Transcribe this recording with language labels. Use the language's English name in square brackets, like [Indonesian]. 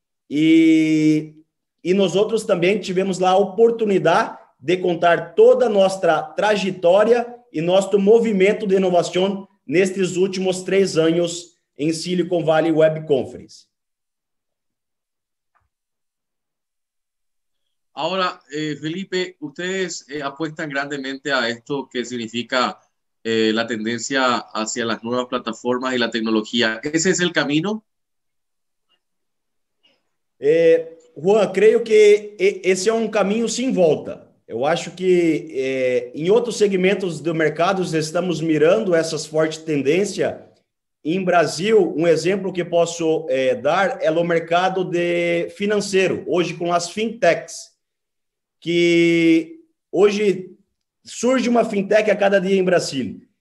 [Portuguese] E nós outros também tivemos lá a oportunidade de contar toda a nossa trajetória e nosso movimento de inovação nestes últimos 3 anos em Silicon Valley Web Conference. [Spanish] Ahora, Felipe, ustedes apuestan grandemente a esto que significa la tendencia hacia las nuevas plataformas y la tecnología. ¿Ese es el camino? Juan, creo que ese es un camino sin vuelta. Yo acho que en otros segmentos de mercados estamos mirando esas fuertes tendencias. En Brasil, un ejemplo que puedo dar es el mercado de financiero, hoy con las fintechs. [Portuguese] Que hoje surge uma fintech a cada dia em Brasil.